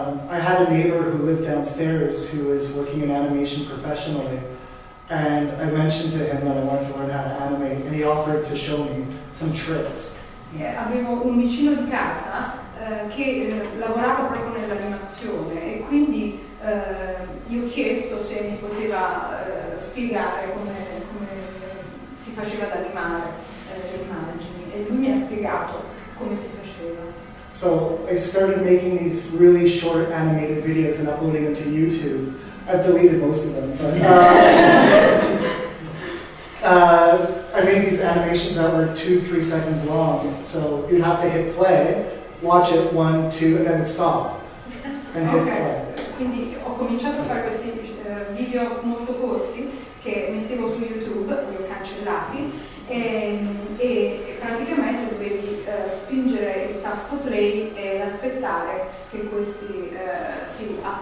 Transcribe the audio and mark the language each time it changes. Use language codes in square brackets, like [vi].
[en] I had a neighbor who lived downstairs who was working in animation professionally, and I mentioned to him that I wanted to learn how to animate, and he offered to show me some tricks. [it] Avevo un vicino di casa che lavorava proprio nell'animazione e quindi gli ho chiesto se mi poteva spiegare come si faceva ad animare le immagini e lui mi ha spiegato come si faceva. [en] So I started making these really short animated videos and uploading them to YouTube. I've deleted most of them, but I made these animations that were 2-3 seconds long, so you'd have to hit play, watch it 1-2, and then stop and hit okay. play. [it] Quindi ho cominciato a fare questi video molto corti che mettevo su YouTube, li ho cancellati, e praticamente dovevi spingere il tasto play e aspettare che questi si